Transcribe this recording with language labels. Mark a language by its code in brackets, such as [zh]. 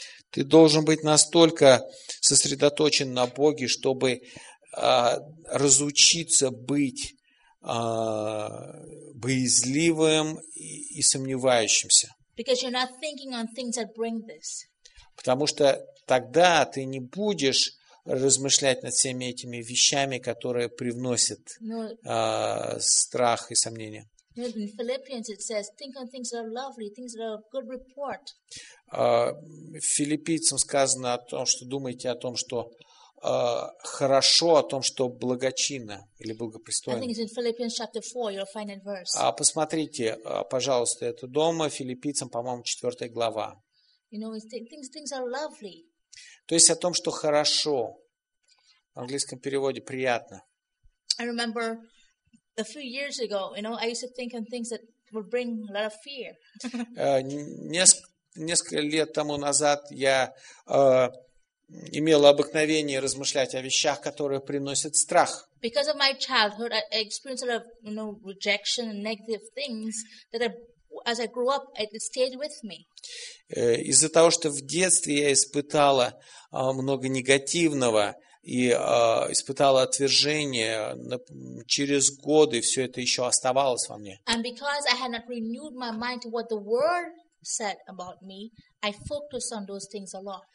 [ru] Ты должен быть настолько сосредоточен на Боге, чтобы разучиться быть боязливым и сомневающимся. [en] Because you're not thinking on things that bring this. [ru] Потому что тогда ты не будешь размышлять над всеми этими вещами, которые привносят страх и сомнение. [en] In Philippians it says, think on things that are lovely, things that are of good report. [ru] Филиппийцам сказано о том, что думайте о том, что хорошо, о том, что благочинно или благопристойно. [en] I think it's in Philippians chapter 4, you'll find that verse. [ru] Посмотрите, пожалуйста, это дома, Филиппийцам, по-моему, 4 глава. [en] You know, things are lovely. [ru] То есть о том, что хорошо. В английском переводе приятно. [en] I remember a few years ago, you know, I used to think on things that would bring a lot of fear. [ru] Несколько лет тому назад я имел обыкновение размышлять о вещах, которые приносят страх. [en] Because of my childhood, I experienced a lot of, you know, rejection and negative things that I, as I grew up, it stayed with me. [ru] Из-за того, что в детстве я испытала много негативного и испытала отвержение, через годы все это еще оставалось во мне. [en] And because I had not renewed my mind to what the world said about me, I focused on those things a lot.